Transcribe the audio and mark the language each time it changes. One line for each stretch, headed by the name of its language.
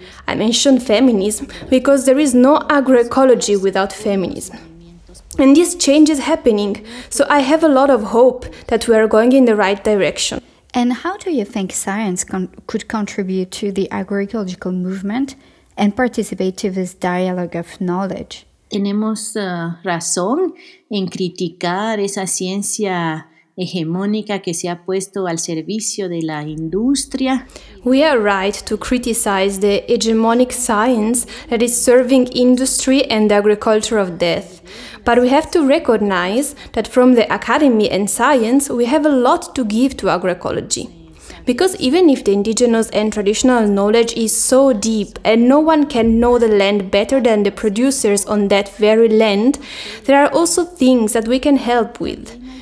English: I mention feminism because there is no agroecology without feminism. And this change is happening, so I have a lot of hope that we are going in the right direction. And how do you think science could contribute to the agroecological movement and participate to this dialogue of knowledge?
Spanish: Tenemos razón en criticar esa ciencia hegemónica que se ha puesto al servicio de la industria.
English: We are right to criticize the hegemonic science that is serving industry and the agriculture of death. But we have to recognize that from the academy and science, we have a lot to give to agroecology. Because even if the indigenous and traditional knowledge is so deep and no one can know the land better than the producers on that very land, there are also things that we can help with.